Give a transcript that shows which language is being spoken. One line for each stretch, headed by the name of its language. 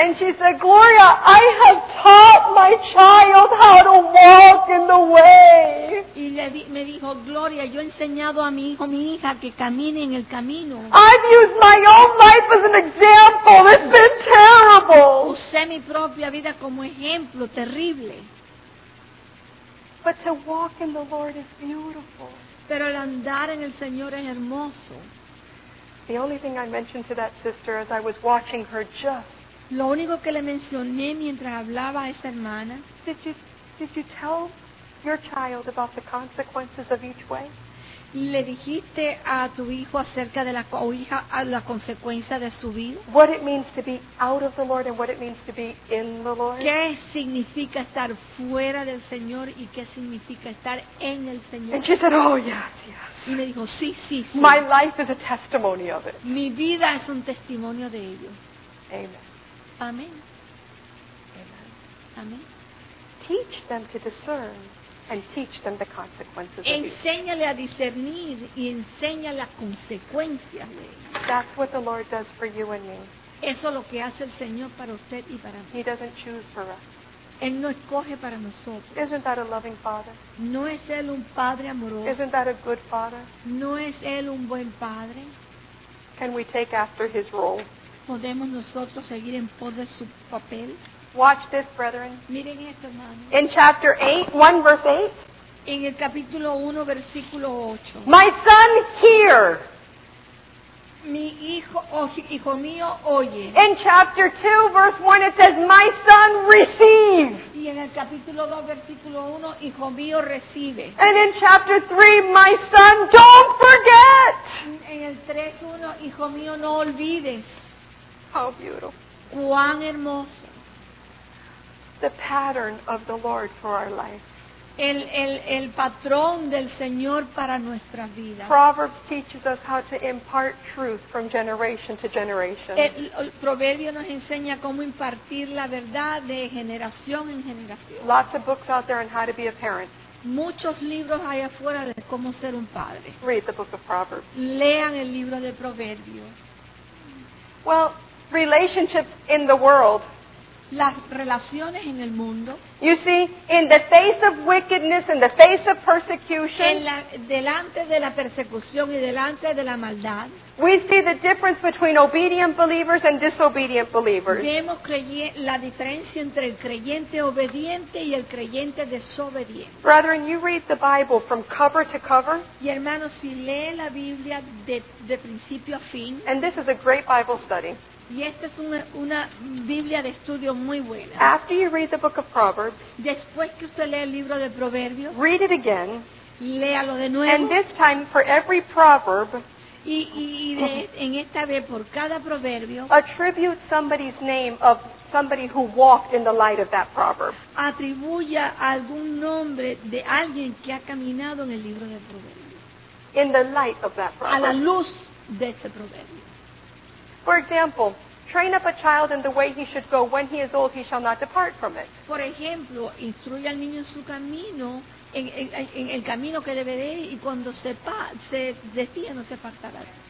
English: And she said, Gloria, I have taught my child how to walk in the way.
Spanish: Y me dijo, Gloria, yo he enseñado a mi hijo, mi hija, que camine en el camino.
English: I've used my own life as an example. It's been terrible.
Spanish: Usé mi propia vida como ejemplo, terrible.
English: But to walk in the Lord is beautiful.
Spanish: Pero el andar en el Señor es hermoso.
English: The only thing I mentioned to that sister as I was watching her just.
Spanish: Lo único que le mencioné mientras hablaba a esa hermana.
English: Did you tell your child about the consequences of each way?
Spanish: ¿Le dijiste a tu hijo acerca de la o hija a la consecuencia de su vida?
English: What it means to be out of the Lord and what it means to be in the Lord.
Spanish: ¿Qué significa estar fuera del Señor y qué significa estar en el Señor?
English: And she said, oh yes, yes.
Spanish: Y me dijo, sí, sí, sí.
English: My life is a testimony of it.
Spanish: Mi vida es un testimonio de ello.
English: Amen.
Spanish: Amén.
English: Amen.
Spanish: Amén.
English: teach them to discern and teach them the consequences.
Spanish: Enséñale a discernir y enséñale las consecuencias.
English: That's what the Lord does for you and me.
Spanish: Eso es lo que hace el Señor para usted y para mí.
English: He doesn't choose for us.
Spanish: Él no escoge para nosotros.
English: Isn't that a loving father?
Spanish: ¿No es Él un Padre amoroso?
English: Isn't that a good father?
Spanish: ¿No es Él un buen Padre?
English: Can we take after His role?
Spanish: ¿Podemos nosotros seguir en pos de su papel?
English: Watch this, brethren.
Spanish: Miren esto, hermano.
English: In chapter 8, 1 verse 8.
Spanish: En el capítulo 1, versículo 8.
English: My son, hear.
Spanish: Mi hijo, hijo mío, oye.
English: In chapter 2, verse 1, it says, my son, receive.
Spanish: Y en el capítulo 2, versículo 1, hijo mío, recibe.
English: And in chapter 3, my son, don't forget.
Spanish: En el 3, 1, hijo mío, no olvides.
English: How beautiful.
Spanish: Cuán hermoso.
English: The pattern of the Lord for our life.
Spanish: El patrón del Señor para nuestra vida.
English: Proverbs teaches us how to impart truth from generation to generation.
Spanish: El proverbio nos enseña cómo impartir la verdad de generación en generación.
English: Lots of books out there on how to be a parent.
Spanish: Muchos libros allá afuera de cómo ser un padre.
English: Read the book of Proverbs.
Spanish: Lean el libro de Proverbios.
English: Well, relationships in the world.
Spanish: Las relaciones en el mundo.
English: You see, in the face of wickedness, in the face of persecution,
Spanish: delante de la persecución y delante de la maldad,
English: we see the difference between obedient believers and disobedient believers.
Spanish: Vemos la diferencia entre el creyente obediente y el creyente desobediente.
English: Brethren, you read the Bible from cover to cover.
Spanish: Y hermanos, si lee la Biblia de principio a fin.
English: And this is a great Bible study.
Spanish: Y esta es una Biblia de estudio muy buena.
English: After you read the book of Proverbs,
Spanish: después que usted lee el libro de Proverbios,
English: read it again,
Spanish: léalo de nuevo.
English: And this time for every proverb,
Spanish: en esta vez por cada proverbio,
English: attribute somebody's name of somebody who walked in the light of that proverb.
Spanish: Atribuya algún nombre de alguien que ha caminado en el libro de Proverbios.
English: In the light of that proverb.
Spanish: A la luz de ese proverbio.
English: For example, train up a child in the way he should go. When he is old, he shall not depart from it.
Spanish: Por ejemplo, instruye al niño en su camino, en el camino que debe de ir, y cuando se desvíe, no se apartará.